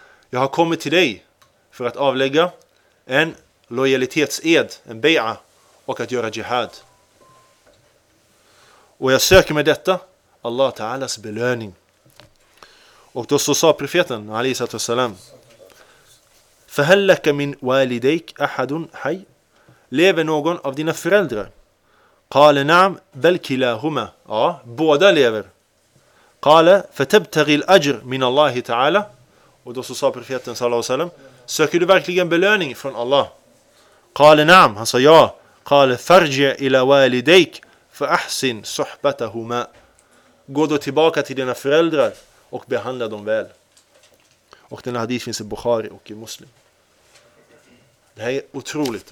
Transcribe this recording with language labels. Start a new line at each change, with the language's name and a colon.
Swedish: Jag har kommit till dig för att avlägga en lojalitetsed, en bay'a, och att göra jihad. Och jag söker med detta Allah ta'alas belöning. Och då så sa profeten alayhi salatu wassalam:
Arabic: "Fahal laka min walidayk ahadun hay?"
Swedish: Lever någon av dina föräldrar?
Arabic: قال نعم بل كلاهما
Swedish: båda lever.
Arabic: قال فتبتغي الاجر من الله تعالى.
Swedish: Och då så sa profeten sallallahu alaihi wasallam: söker du verkligen belöning från Allah?
Arabic: قال نعم,
Swedish: han sa ja.
Arabic: قال فرجع الى والديك فاحسن صحبتهما.
Swedish: Gå då tillbaka till dina föräldrar och behandla dem väl. Och den här hadith finns i Bukhari och i Muslim. Det här är otroligt.